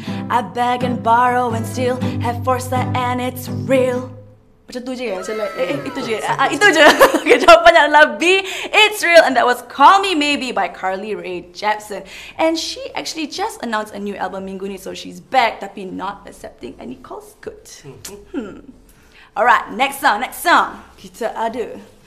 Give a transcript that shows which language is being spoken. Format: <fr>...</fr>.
<en>I beg and borrow and steal, have force that and it's real.</en> <ms>Macam tu je kan? Itu je. Okay, jawapannya adalah B,</ms> <en>it's real. And that was Call Me Maybe by Carly Rae Jepsen. And she actually just announced a new album</en> <ms>minggu ni,</ms> <en>so she's back</en> <ms>tapi</ms> <en>not accepting any calls. Good. Alright, next song.</en> <ms>Kita ada.</ms>